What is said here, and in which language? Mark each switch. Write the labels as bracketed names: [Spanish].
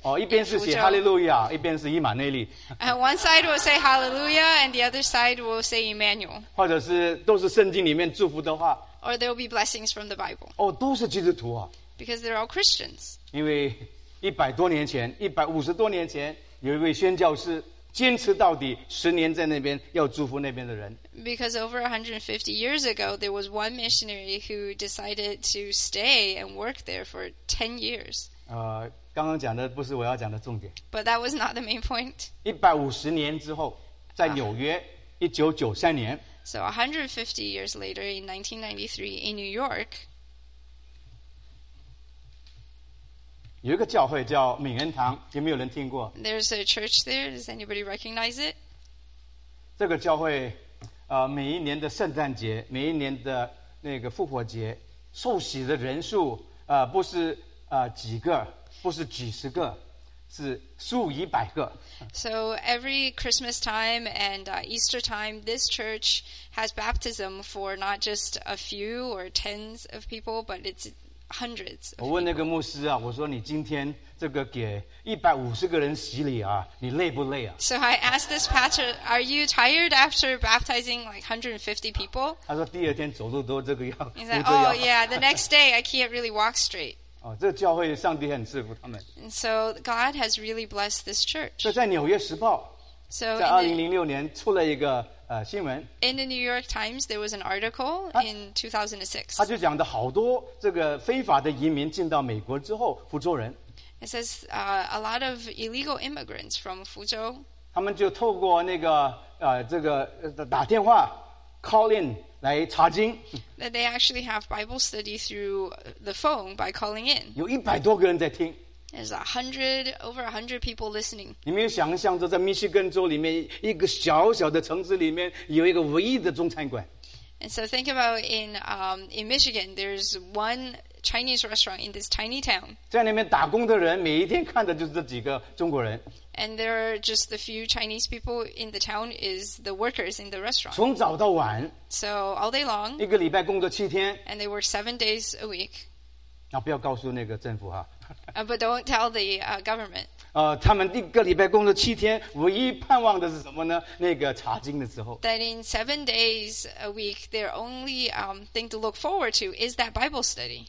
[Chinese] 哦，一边是写 Hallelujah， 一边是以马内利。 [English] And one side will say Hallelujah, and the other side will say Emmanuel. [Chinese] 或者是都是圣经里面祝福的话。 [English] Or there will be blessings from the Bible. [Chinese] 哦，都是基督徒啊。 [English] Because they're all Christians. [Chinese] 因为一百多年前，150多年前，有一位宣教士坚持到底，十年在那边要祝福那边的人。 [English] Because over 150 years ago, there was one missionary who decided to stay and work there for 10 years. [Chinese] 刚刚讲的不是我要讲的重点。 [English] But that was not the main point. [Chinese] 150年之后，在纽约， 1993年。 [English] So 150 years later, in 1993, in New York, [Chinese] 有一个教会叫敏恩堂，有没有人听过 [English] ？There's a church there. Does anybody recognize it? [Chinese] 这个教会，每一年的圣诞节，每一年的那个复活节，受洗的人数，不是几个，不是几十个。 [English] So every Christmas time and Easter time, this church has baptism for not just a few or tens of people, but it's hundreds of people. [Chinese] 我问那个牧师啊，我说你今天这个给150个人洗礼啊，你累不累啊？ [English] So I asked this pastor, are you tired after baptizing like 150 people? [Chinese] 他说第二天走路都这个样。 [English] He said, oh yeah, the next day I can't really walk straight. [Chinese] 这个教会上帝很赐福他们。 [English] And so God has really blessed this church. [Chinese] 这在纽约时报。 [English] So [Chinese] 在2006年出了一个新闻。 [English] In the New York Times, there was an article in 2006. [Chinese] 他就讲的好多这个非法的移民进到美国之后，福州人。 [English] It says a lot of illegal immigrants from 福州。 [Chinese] 他们就透过那个这个打电话 [English] call in。 [Chinese] 来查经 [English] that they actually have Bible study through the phone by calling in. [Chinese] 有一百多个人在听 [English] There's over 100 people listening. [Chinese] 你们有想象着在密歇根州里面一个小小的城市里面有一个唯一的中餐馆 [English] And so think about in Michigan, there's one Chinese restaurant in this tiny town. [Chinese] 在那边打工的人每一天看的就是这几个中国人 [English] And there are just the few Chinese people in the town is the workers in the restaurant. [Chinese] 从早到晚 [English] So all day long, [Chinese] 一个礼拜工作七天 [English] and they work 7 days a week. [Chinese] 啊，不要告诉那个政府哈。 [English] But don't tell the government. [Chinese] 他们一个礼拜工作七天，唯一盼望的是什么呢？那个查经的时候。 [English] That in 7 days a week, their only thing to look forward to is that Bible study.